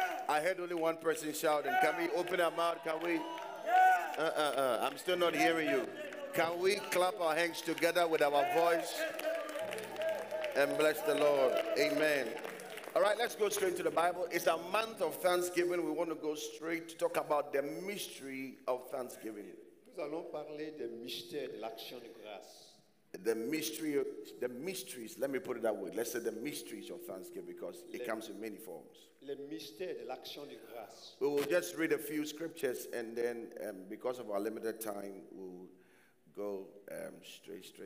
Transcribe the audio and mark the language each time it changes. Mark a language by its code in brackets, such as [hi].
[en] I heard only one person shouting. Can we open our mouth? Can we? I'm still not hearing you. Can we clap our hands together with our voice and bless the Lord? Amen. All right, let's go straight to the Bible. It's a month of Thanksgiving. We want to go straight to talk about the mystery of Thanksgiving. [fr] Nous allons parler des mystères de l'action de grâce. [en] The mysteries, let me put it that way. Let's say the mysteries of Thanksgiving because it comes in many forms. [fr] Le mystère de l'action de grâce. [en] We will just read a few scriptures and then because of our limited time, we'll go straight.